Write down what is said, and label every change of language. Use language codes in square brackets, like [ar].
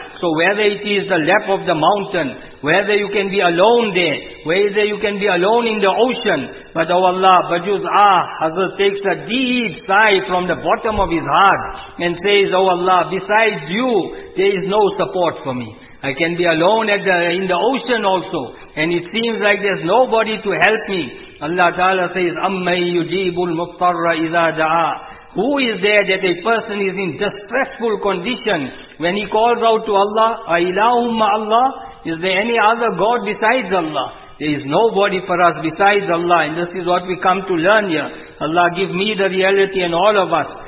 [en] So whether it is the lap of the mountain, whether you can be alone there, whether you can be alone in the ocean, but oh Allah, bajuz ah, Hazrat takes a deep sigh from the bottom of his heart and says, oh Allah, besides you, there is no support for me. I can be alone in the ocean also, and it seems like there's nobody to help me. Allah Ta'ala says, [ar] أَمَّنْ يُجِيبُ الْمُضْطَرَّ إِذَا دَعَى. [en] Who is there that a person is in distressful condition when he calls out to Allah, [ar] أَإِلَهُمَّ [en] Allah? Is there any other God besides Allah? There is nobody for us besides Allah. And this is what we come to learn here. Allah, give me the reality and all of us.